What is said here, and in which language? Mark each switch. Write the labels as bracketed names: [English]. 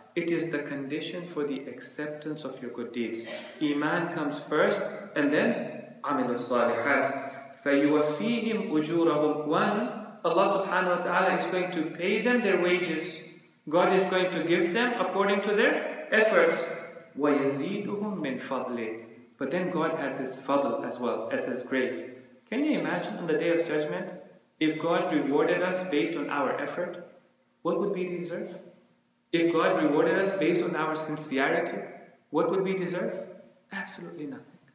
[English] It is the condition for the acceptance of your good deeds. Iman comes first, and then [Arabic] عَمِلُوا الصَّالِحَاتِ. فَيُوَفِّيهِمْ أُجُورَهُمْ. [English] One, Allah subhanahu wa ta'ala is going to pay them their wages. God is going to give them according to their efforts, [Arabic] وَيَزِيدُهُمْ مِنْ فَضْلِهِ. [English] But then God has His fadl as well as His grace. Can you imagine on the Day of Judgment, if God rewarded us based on our effort, what would we deserve? If God rewarded us based on our sincerity, what would we deserve? Absolutely nothing.